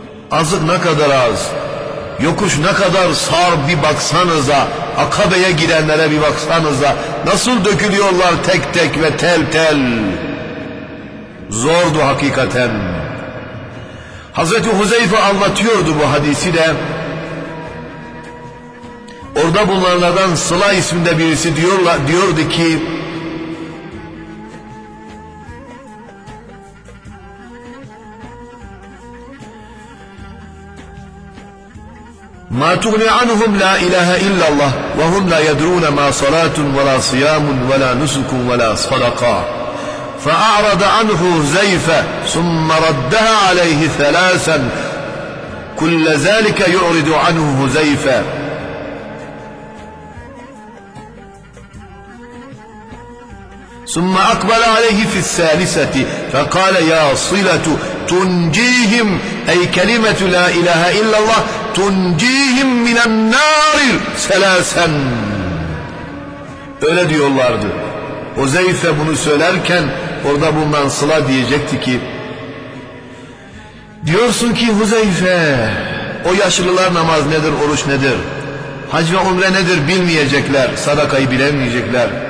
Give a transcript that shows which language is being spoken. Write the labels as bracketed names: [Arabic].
[Turkish] Azık ne kadar az, yokuş ne kadar sağır, bir baksanıza Akabe'ye girenlere, bir baksanıza nasıl dökülüyorlar tek tek ve tel tel. Zordu hakikaten. Hazreti Huzeyfe anlatıyordu bu hadisi de. Orada bunlardan Sıla isminde birisi diyordu ki, [Arabic] مَا تُغْنِ عَنْهُمْ لَا اِلَٰهَ اِلَّا اللّٰهِ وَهُمْ لَا يَدْرُونَ مَا صَلَاتٌ وَلَا صِيَامٌ وَلَا نُسُكٌ وَلَا صَدَقًا فَاَعْرَدَ عَنْهُ زَيْفَ ثُمَّ رَدَّهَ عَلَيْهِ ثَلَاسًا كُلَّ ذَلِكَ يُعْرِدُ عَنْهُ زَيْفَ. ثم أقبل عليه في الثالثة فقال يا صلة تنجيهم أي كلمة لا إله إلا الله تنجيهم من النار ثلاثا. [Turkish] Öyle diyorlardı. Huzeyfe bunu söylerken orada bulunan Sıla diyecekti ki, diyorsun ki Huzeyfe, o yaşlılar namaz nedir, oruç nedir, hac ve umre nedir bilmeyecekler, sadakayı bilemeyecekler.